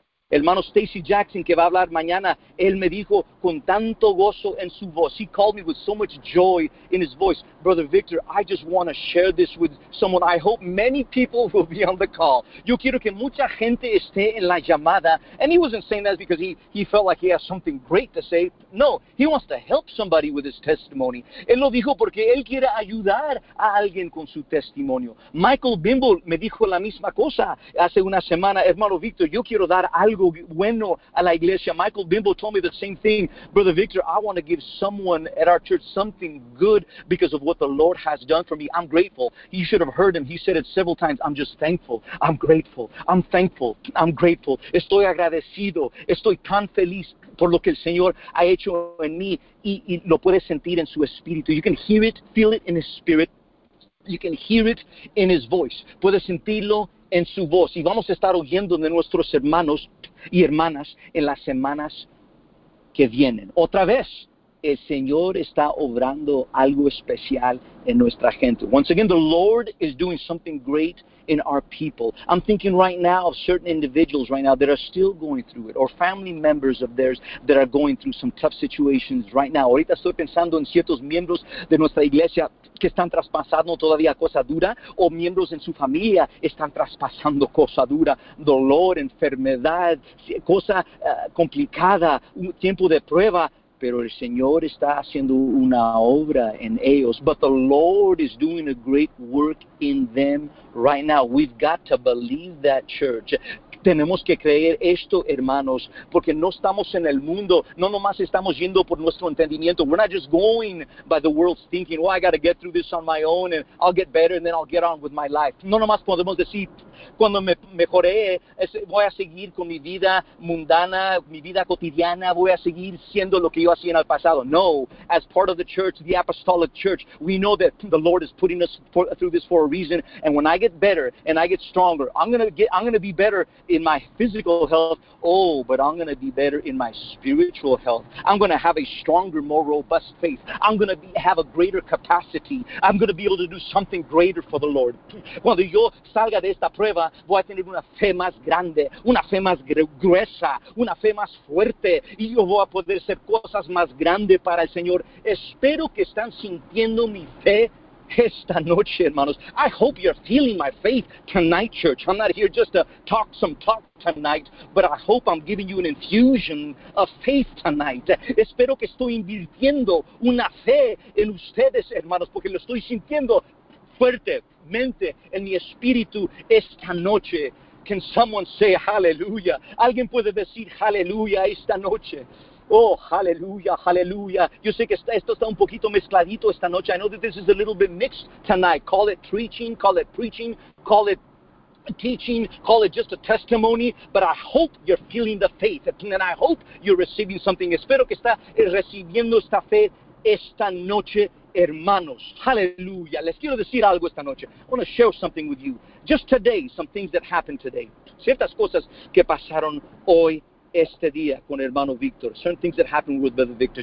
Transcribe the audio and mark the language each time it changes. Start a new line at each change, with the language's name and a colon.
Spanish: Hermano Stacy Jackson, que va a hablar mañana, él me dijo con tanto gozo en su voz.
English: He called me with so much joy in his voice. Brother Victor, I just want to share this with someone. I hope many people will be on the call.
Spanish: Yo quiero que mucha gente esté en la llamada.
English: And he wasn't saying that because he felt like he has something great to say. No, he wants to help somebody with his testimony.
Spanish: Él lo dijo porque él quiere ayudar a alguien con su testimonio. Michael Bimble me dijo la misma cosa hace una semana. Hermano Victor, yo quiero dar algo bueno a la iglesia.
English: Michael Bimble told me the same thing. Brother Victor, I want to give someone at our church something good because of what the Lord has done for me. I'm grateful. You should have heard him. He said it several times. I'm just thankful. I'm grateful. I'm thankful. I'm grateful.
Spanish: Estoy agradecido. Estoy tan feliz por lo que el Señor ha hecho en mí. Y lo puede sentir en su espíritu.
English: You can hear it, feel it in his spirit. You can hear it in his voice.
Spanish: Puede sentirlo en su voz. Y vamos a estar oyendo de nuestros hermanos y hermanas en las semanas que vienen. Otra vez, el Señor está obrando algo especial en nuestra gente.
English: Once again, the Lord is doing something great in our people. I'm thinking right now of certain individuals right now that are still going through it, or family members of theirs that are going through some tough situations right now.
Spanish: Ahorita estoy pensando en ciertos miembros de nuestra iglesia que están traspasando todavía cosa dura, o miembros en su familia están traspasando cosa dura, dolor, enfermedad, cosa complicada, un tiempo de prueba. Pero el Señor está haciendo una obra en ellos.
English: But the Lord is doing a great work in them right now. We've got to believe that, church.
Spanish: Tenemos que creer esto, hermanos, porque no estamos en el mundo. No nomás estamos yendo por nuestro entendimiento.
English: We're not just going by the world's thinking, well, I got to get through this on my own, and I'll get better, and then I'll get on with my life.
Spanish: No nomás podemos decir, cuando me mejoré, voy a seguir con mi vida mundana, mi vida cotidiana, voy a seguir siendo lo que yo hacía en el pasado.
English: No, as part of the church, the apostolic church, we know that the Lord is putting us through this for a reason, and when I get better, and I get stronger, I'm gonna be better in my physical health, oh, but I'm going to be better in my spiritual health. I'm going to have a stronger, more robust faith. I'm going to have a greater capacity. I'm going to be able to do something greater for the Lord.
Spanish: Cuando yo salga de esta prueba, voy a tener una fe más grande, una fe más gruesa, una fe más fuerte, y yo voy a poder hacer cosas más grandes para el Señor. Espero que están sintiendo mi fe esta noche, hermanos.
English: I hope you're feeling my faith tonight, church. I'm not here just to talk some talk tonight, but I hope I'm giving you an infusion of faith tonight.
Spanish: Espero que estoy invirtiendo una fe en ustedes, hermanos, porque lo estoy sintiendo fuertemente en mi espíritu esta noche.
English: Can someone say hallelujah?
Spanish: ¿Alguien puede decir hallelujah esta noche? Oh, hallelujah, hallelujah. Yo sé que esto está un poquito mezcladito esta noche.
English: I know that this is a little bit mixed tonight. Call it preaching, call it teaching, call it just a testimony. But I hope you're feeling the faith, and I hope you're receiving something.
Spanish: Espero que está recibiendo esta fe esta noche, hermanos.
English: Hallelujah.
Spanish: Les quiero decir algo esta noche.
English: I want to share something with you. Just today, some things that happened today.
Spanish: Ciertas cosas que pasaron hoy. Este día con hermano Victor.
English: Certain things that happened with brother Victor.